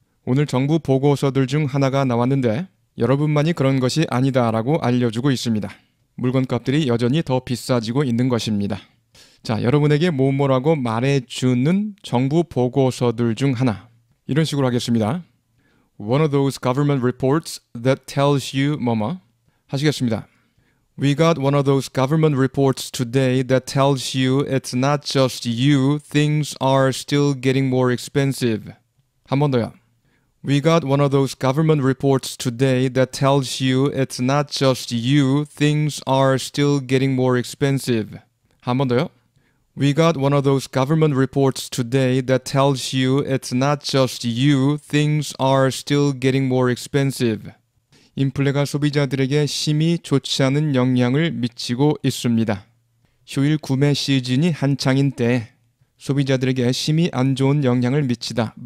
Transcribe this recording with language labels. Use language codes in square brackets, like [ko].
[ko] 오늘 정부 보고서들 중 하나가 나왔는데 여러분만이 그런 것이 아니다라고 알려주고 있습니다. 물건값들이 여전히 더 비싸지고 있는 것입니다. 자, 여러분에게 뭐뭐라고 말해주는 정부 보고서들 중 하나. 이런 식으로 하겠습니다. [en] One of those government reports that tells you [ko] 뭐뭐 하시겠습니다. [en] We got one of those government reports today that tells you it's not just you, things are still getting more expensive. [ko] 한 번 더요. [en] We got one of those government reports today that tells you it's not just you, things are still getting more expensive. [ko] 한 번 더요. [en] We got one of those government reports today that tells you it's not just you, things are still getting more expensive. [ko] 인플레가 소비자들에게 심히 좋지 않은 영향을 미치고 있습니다. 휴일 구매 시즌이 한창인 때 소비자들에게 심히 안 좋은 영향을 미치다.